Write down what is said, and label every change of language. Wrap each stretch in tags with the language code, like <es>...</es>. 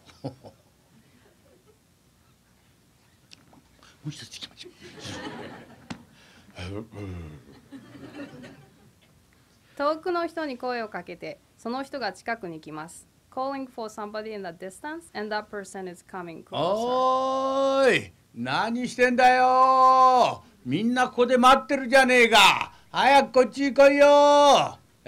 <ja>もう一つ行きましょう。遠くの人に声をかけて、その人が近くに来ます。</ja> <en>Calling for somebody in the distance, and that person is coming closer.</en> <ja>おーい、何してんだよ。みんなここで待ってるじゃねえか。早くこっちに来いよ。</ja>